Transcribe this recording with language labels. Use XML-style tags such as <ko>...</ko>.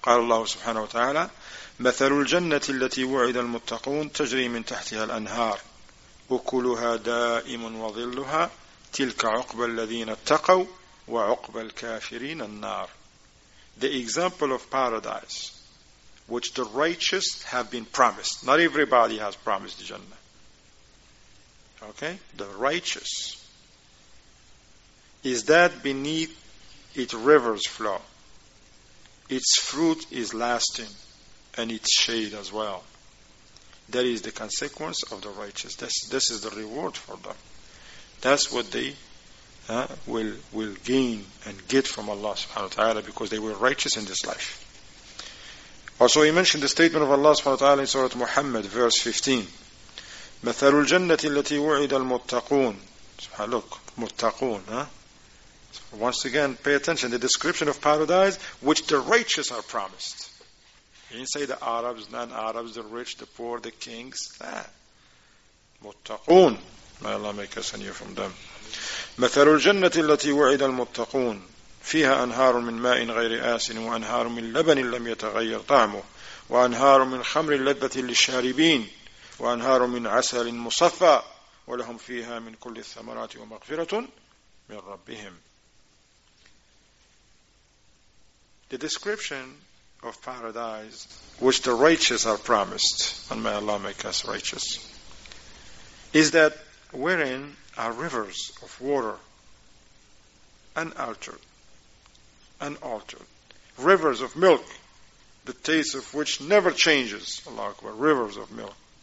<ar>قال الله سبحانه وتعالى, مثل الجنة التي وعد المتقون تجري من تحتها الأنهار. أكلها دائم وظلها تلك عقب الذين اتقوا وعقب الكافرين النار.</ar> <en>The example of paradise which the righteous have been promised. Not everybody has promised the Jannah. Okay? The righteous. Is that beneath its rivers flow? Its fruit is lasting and its shade as well. That is the consequence of the righteous. This is the reward for them. That's what they will gain and get from Allah subhanahu wa ta'ala, because they were righteous in this life. Also, he mentioned the statement of Allah subhanahu wa ta'ala in Surah Muhammad, verse 15.</en> <ar>مَثَلُ الْجَنَّةِ الَّتِي وُعِدَ الْمُتَّقُونَ. Subhanahu, look, muttaqoon.</ar> <en>So once again, pay attention. The description of paradise, which the righteous are promised. He didn't say the Arabs, non-Arabs, the rich, the poor, the kings. Muttaqoon. May Allah make us anew from them.</en> <ar>مثل الجنة التي وعد المتقون فيها أنهار من ماء غير آسن وأنهار من لبن لم يتغير طعمه وأنهار من خمر لذة للشاربين وأنهار من عسل مصفى ولهم فيها من كل الثمرات ومغفرة من ربهم.</ar> <en>The description of paradise which the righteous are promised, and may Allah make us righteous, is that wherein are rivers of water, unaltered, rivers of milk, the taste of which never changes, Allah Akbar, rivers of milk.</en>